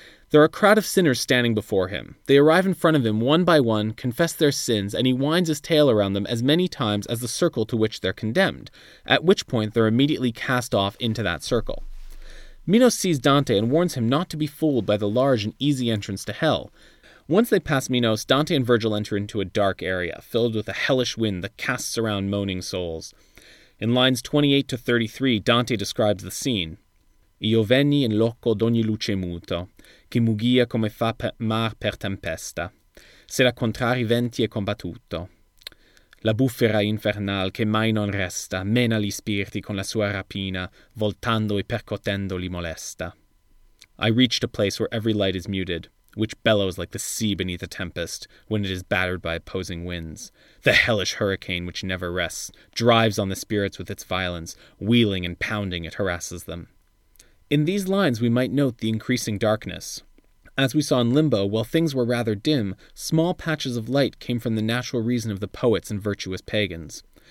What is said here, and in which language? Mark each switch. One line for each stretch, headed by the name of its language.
English: There are a crowd of sinners standing before him. They arrive in front of him one by one, confess their sins, and he winds his tail around them as many times as the circle to which they're condemned, at which point they're immediately cast off into that circle. Minos sees Dante and warns him not to be fooled by the large and easy entrance to hell. Once they pass Minos, Dante and Virgil enter into a dark area, filled with a hellish wind that casts around moaning souls. In lines 28 to 33, Dante describes the scene.
Italian: Io venni in loco d'ogni luce muto, che mugia come fa mar per tempesta, se la contrari venti è combattuto. La bufera infernal che mai non resta, mena gli spiriti con la sua rapina, voltando e percotendo li molesta.
English: I reached a place where every light is muted, which bellows like the sea beneath a tempest, when it is battered by opposing winds. The hellish hurricane which never rests, drives on the spirits with its violence, wheeling and pounding it harasses them. In these lines we might note the increasing darkness. As we saw in Limbo, while things were rather dim, small patches of light came from the natural reason of the poets and virtuous pagans.